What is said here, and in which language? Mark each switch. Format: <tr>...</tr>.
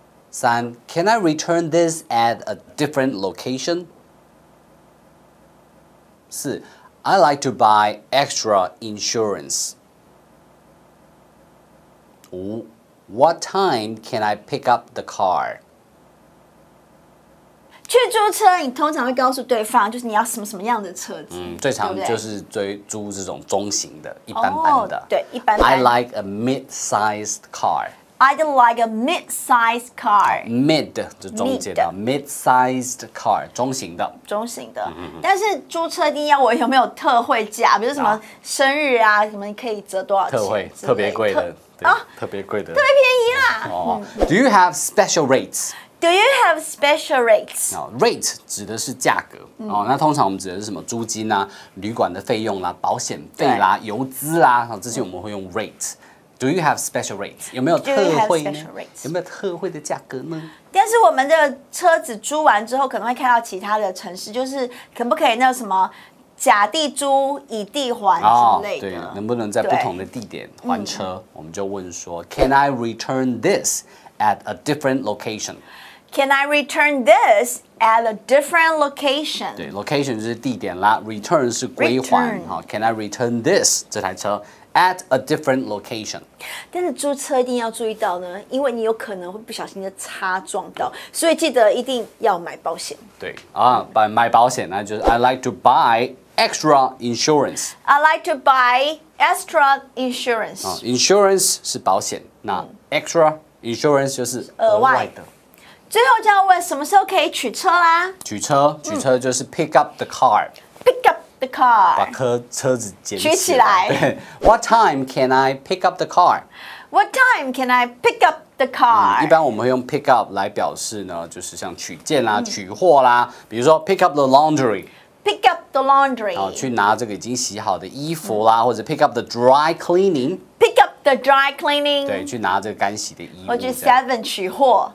<en>三 Can I return this at a different location? 四 I like to buy extra insurance. 五 What time can I pick up the car?</en> <zh>去租车，你通常会告诉对方，就是你要什么什么样的车子。嗯，最常就是追租这种中型的，一般般的。对，一般般。</zh> <en>I like a mid-sized car. I'd like a mid-sized car.</en> <zh>Mid 就中间的 mid-sized car， 中型的。中型的，但是租车一定要我有没有特惠价，比如什么生日啊，什么可以折多少钱？特惠，特别贵的，特别贵的，特别便宜啦。</zh> <en>哦 ，Do you have special rates? Do you have special rates?</en> <zh>Rate 指的是价格、哦、那通常我们指的是什么租金啊旅馆的费用啊保险费啊油资啊这些我们会用 rate</zh> <en>Do you have special rates?</en> <zh>有没有特惠呢有没有特惠的价格呢但是我们的车子租完之后可能会开到其他的城市就是可不可以那什么假地租以地还之类的、哦、对能不能在不同的地点还车我们就问说</zh> <en>Can I return this at a different location Can I return this at a different location?</en> <zh>对 ，location 就是地点啦 ，return 是归还。</zh> <en>好 ，Can I return this</en> <zh>这台车</zh> <en>at a different location?</en> <zh>但是租车一定要注意到呢，因为你有可能会不小心的擦撞到，所以记得一定要买保险。对啊，买保险呢，就是</zh> <en>I like to buy extra insurance. I like to buy extra insurance.、</en> <zh>啊、insurance 是保险，那 extra insurance 就是额外的。最后就要问什么时候可以取车啦？取车就是</zh> <en>pick up the car、嗯。Pick up the car。</en> <zh>把车子捡起来。取起来。</zh> <en>What time can I pick up the car? What time can I pick up the car?、</en> <zh>嗯、一般我们会用 pick up 来表示呢，就是像取件啦、取货啦，比如说</zh> <en>pick up the laundry。 Pick up the laundry。</en> <zh>好，去拿这个已经洗好的衣服啦，或者</zh> <en>pick up the dry cleaning。 Pick up the dry cleaning。</en> <zh>对，去拿这个干洗的衣服。或者 Seven 取货。</zh>